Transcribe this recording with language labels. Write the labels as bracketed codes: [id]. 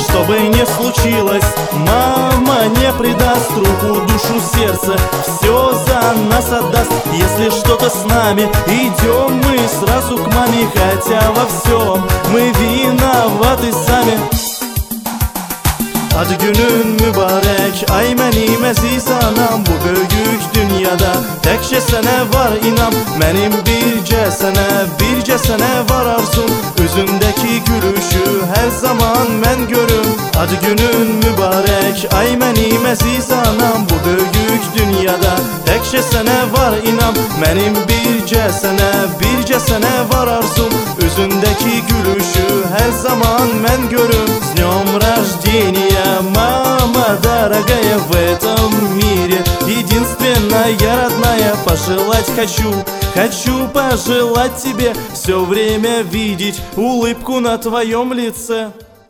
[ru] Чтобы не случилось, мама не предаст. Руку, душу, сердце все за нас отдаст. Если что-то с нами, идем мы сразу к маме. Хотя во всем мы виноваты сами. [az] Adı günün mübarek, ay benim aziz anam. Bu büyük dünyada tekçe sene var inan. Benim birce sene, birce sene var arzum. Üzündeki gülüşü her zaman ben görüm. Adı günün mübarek, ay benim aziz anam. Bu büyük dünyada tekçe sene var inan. Benim birce sene, birce sene var arzum. Üzündeki gülüşü her zaman ben görüm. [ru] С днем рождения, мама дорогая, в этом мире единственная родная. Пожелать хочу, хочу пожелать тебе все время видеть улыбку на твоем лице.